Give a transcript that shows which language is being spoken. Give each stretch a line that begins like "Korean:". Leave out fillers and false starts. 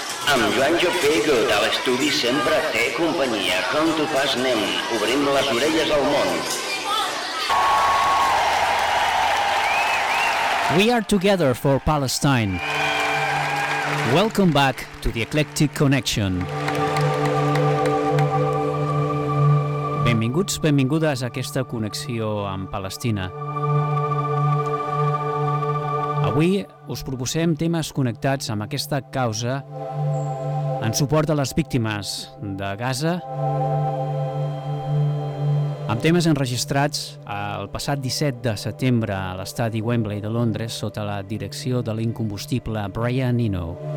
Catalan: Amb l'Àngel Pego de l'estudi sempre té companyia. Com tu fas, nen? Obrim les orelles al món.
English: We are together for Palestine. Welcome back to the Eclectic Connection.
Catalan: Benvinguts, benvingudes a aquesta connexió amb Palestina. Avui us proposem temes connectats amb aquesta causa en suport a les víctimes de Gaza, amb temes enregistrats el passat 17 de setembre a l'estadi Wembley de Londres sota la direcció de l'incombustible Brian Eno.